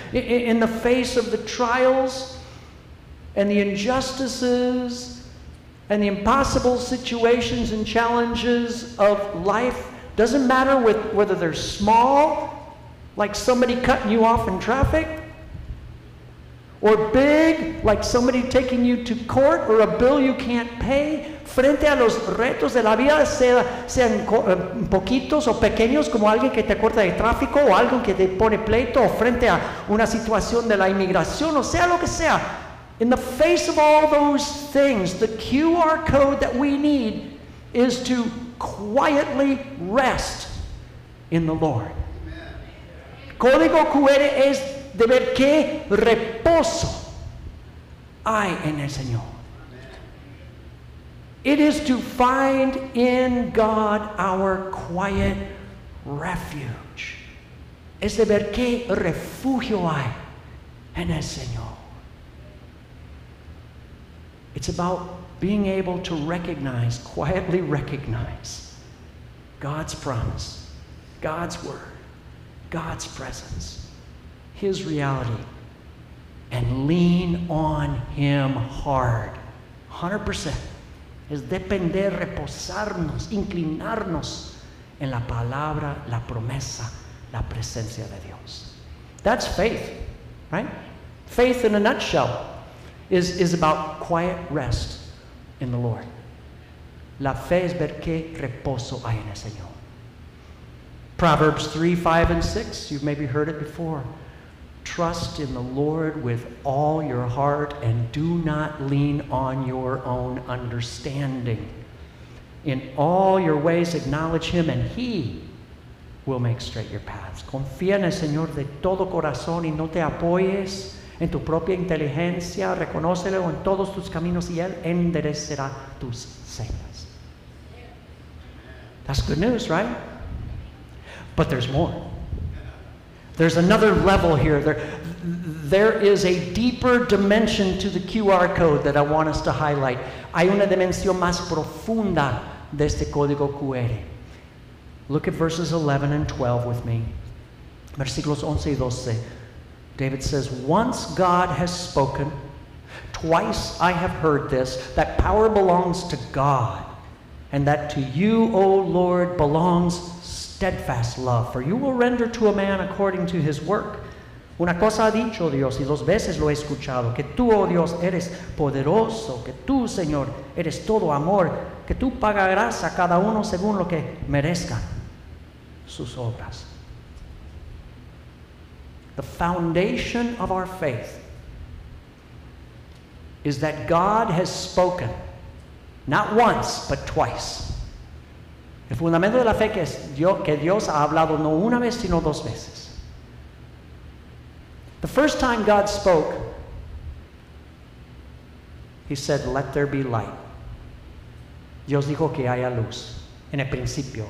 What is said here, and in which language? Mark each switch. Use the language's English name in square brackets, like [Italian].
[English] In the face of the trials and the injustices and the impossible situations and challenges of life, doesn't matter whether they're small, like somebody cutting you off in traffic, or big, like somebody taking you to court or a bill you can't pay. [Spanish] Frente a los retos de la vida, sean poquitos o pequeños, como alguien que te corta de tráfico o alguien que te pone pleito, o frente a una situación de la inmigración, o sea lo que sea. [English] In the face of all those things, the QR code that we need is to quietly rest in the Lord. [Spanish] Código QR es de ver qué reposo hay en el Señor. [English] It is to find in God our quiet refuge. [Spanish] Es de ver qué refugio hay en el Señor. [English] It's about being able to recognize, quietly recognize, God's promise, God's word, God's presence, his reality, and lean on him hard, 100%. [Spanish] Es depender, reposarnos, inclinarnos en la palabra, la promesa, la presencia de Dios. [English] That's faith, right? Faith in a nutshell is about quiet rest in the Lord. [Spanish] La fe es ver qué reposo hay en el Señor. [English] Proverbs 3, 5, and 6, you've maybe heard it before. Trust in the Lord with all your heart and do not lean on your own understanding. In all your ways acknowledge him and he will make straight your paths. [Spanish] Confía en el Señor de todo corazón y no te apoyes en tu propia inteligencia. Reconócelo en todos tus caminos y él enderecerá tus sendas. [English] That's good news, right? But there's more. There's another level here. there is a deeper dimension to the QR code that I want us to highlight. [Spanish] Hay una dimensión más profunda de este código QR. [English] Look at verses 11 and 12 with me. [Spanish] Versículos 11 y 12. [English] David says, "Once God has spoken, twice I have heard this, that power belongs to God, and that to you, O Lord, belongs steadfast love, for you will render to a man according to his work." [Spanish] Una cosa ha dicho Dios, y dos veces lo he escuchado, que tú, oh Dios, eres poderoso, que tú, Señor, eres todo amor, que tú pagarás a cada uno según lo que merezca sus obras. [English] The foundation of our faith is that God has spoken, not once, but twice. [Spanish] El fundamento de la fe es que Dios ha hablado no una vez, sino dos veces. [English] The first time God spoke, he said, "Let there be light." [Spanish] Dios dijo que haya luz en el principio.